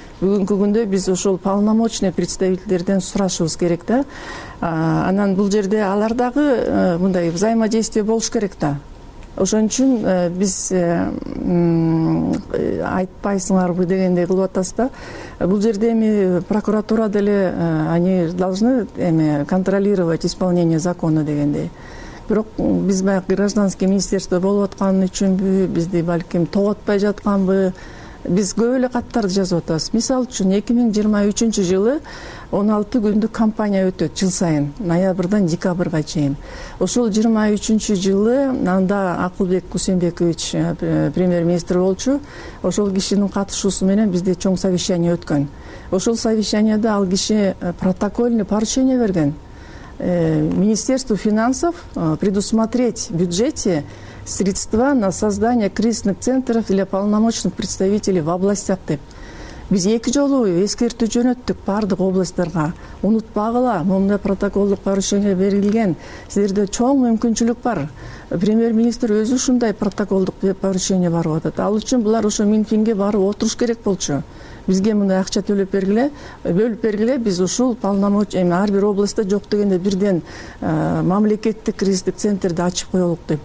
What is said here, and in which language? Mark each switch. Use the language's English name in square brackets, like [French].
[Kyrgyz] Бүгүнкү күндө биз ошол полномочный представительдерден сурашыбыз керек да. Анан бул жерде алар дагы мындай взаимодействие болуш керек да. Ошон үчүн биз айтпайсыңарбы дегендей кылып атасыз да. Бул жерде эми прокуратура деле [Russian] они должны эми контролировать исполнение закона [Kyrgyz] дегендей. Бирок биз баягы гражданский министерство болуп аткан үчүнбү, бизди балким тоготпай жатканбы? Биз көп эле каттарды жазып атабыз. Мисалы үчүн 2023 жылы 16 күндүк кампания өтөт жыл сайын, ноябрдан декабрга чейин. Ошол 23 жылы анда Акылбек Кусенбекович премьер-министр болчу, ошол кишинин катышуусу менен бизде чоң совещание өткөн. Ошол совещанияда ал киши протокольный поручение берген. [Russian] Министерству финансов предусмотреть в бюджете средства на создание кризисных центров для полномочных представителей в областях деп. [Kyrgyz] Биз эки жолу эскертүү жөнөттүк бардык областтарга. Унутпагыла, мындай протоколдук порушение берилген. Силерде чоң мүмкүнчүлүк бар. Премьер-министр өзү ушундай протоколдук порушение барып атат. Ал үчүн булар ошо Минфинге барып отуруш керек болчу. Бизге мындай акча төлөп бергиле, бөлүп бергиле, биз ушул полномочия эми ар бир областта жок дегенде бирден мамлекеттик кризистик центрди ачып коелук деп.